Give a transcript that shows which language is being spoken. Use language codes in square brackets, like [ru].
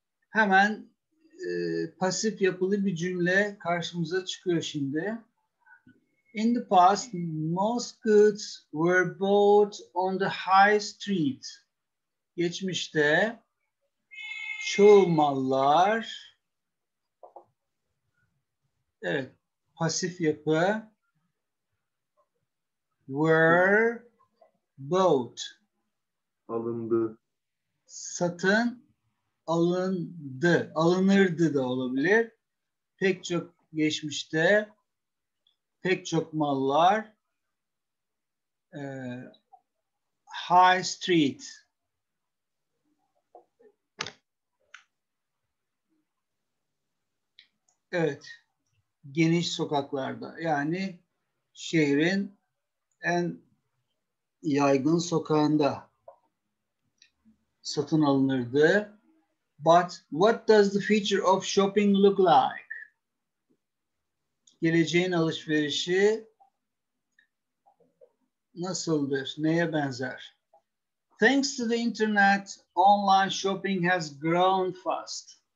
[tr] Hemen pasif yapılı bir cümle karşımıza çıkıyor şimdi. [en] In the past, most goods were bought on the high street. [tr] Geçmişte çoğu mallar, evet, pasif yapı, [en] were bought, [tr] alındı, satın alındı, alınırdı da olabilir. Pek çok geçmişte pek çok mallar high street. Evet, geniş sokaklarda, yani şehrin en yaygın sokağında satın alınırdı. [en] But what does the future of shopping look like? [tr] Geleceğin alışverişi nasıldır? Neye benzer? [en] Thanks to the internet, online shopping has grown fast.